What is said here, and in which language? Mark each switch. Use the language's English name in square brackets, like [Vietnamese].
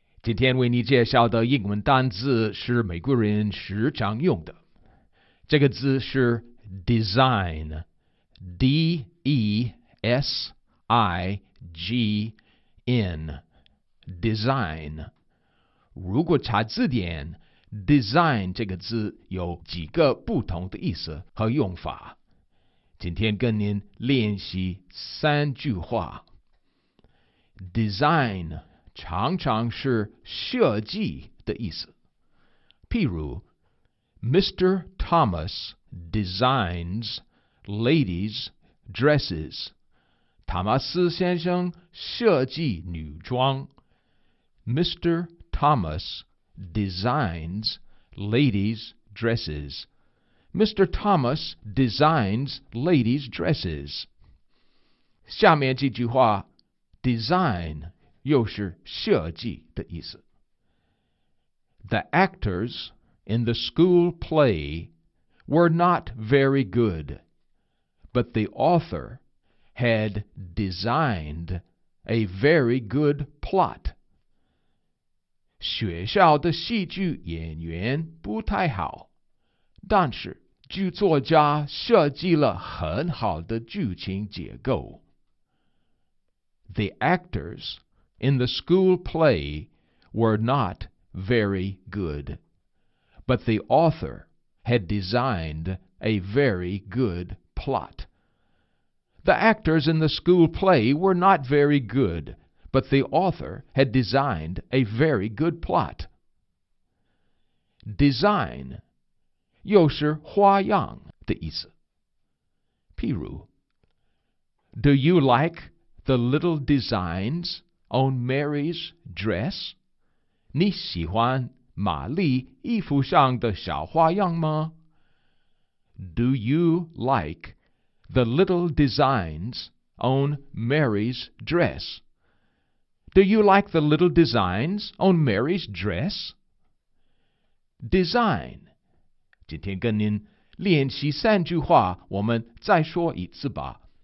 [Chinese] 今天为你介绍的英文单词是美国人时常用的。这个字是 design， D-E-S-I-G-N， design。如果查字典， design 这个字有几个不同的意思和用法。今天跟您练习三句话。 design 常常是设计的意思，譬如Mr. [English] Thomas designs ladies' dresses. [Chinese] 塔马斯先生设计女装。Mr. [English] Thomas designs ladies' dresses. Mr. Thomas designs ladies' dresses. [Chinese] 下面这句话 design 又是设计的意思。 [English] The actors in the school play were not very good, but the author had designed a very good plot. [Chinese] 学校的戏剧演员不太好，但是剧作家设计了很好的剧情结构。 [English] The actors in the school play were not very good. But the author had designed a very good plot. The actors in the school play were not very good, but the author had designed a very good plot. [Chinese] Design 又是花样的意思。譬如 [English] Do you like the little designs on Mary's dress? [Chinese] 你喜欢玛丽衣服上的小花样吗？ [English] Do you like the little designs on Mary's dress? Do you like the little designs on Mary's dress? [Chinese] Design 今天跟您练习三句话，我们再说一次吧。